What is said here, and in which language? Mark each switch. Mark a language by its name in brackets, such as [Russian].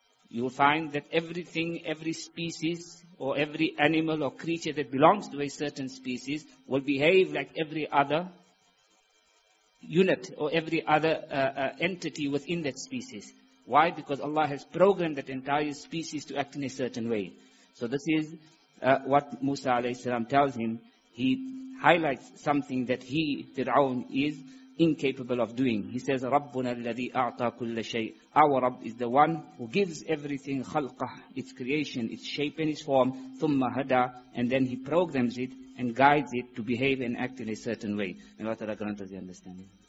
[English] You will find that everything, every species, or every animal or creature that belongs to a certain species will behave like every other unit or every other entity within that species. Why? Because Allah has programmed that entire species to act in a certain way. So this is what Musa alayhi salam tells him. He highlights something that he, Fir'aun, is incapable of doing. He says, [Arabic] رَبُّنَا الَّذِي أَعْطَى كُلَّ شَيْءٍ. [English] Our Rabb is the one who gives everything, [Arabic] خَلْقَه, [English] its creation, its shape and its form, [Arabic] ثُمَّ هَدَى, [English] and then he programs it and guides it to behave and act in a certain way. May Allah grant us the understanding.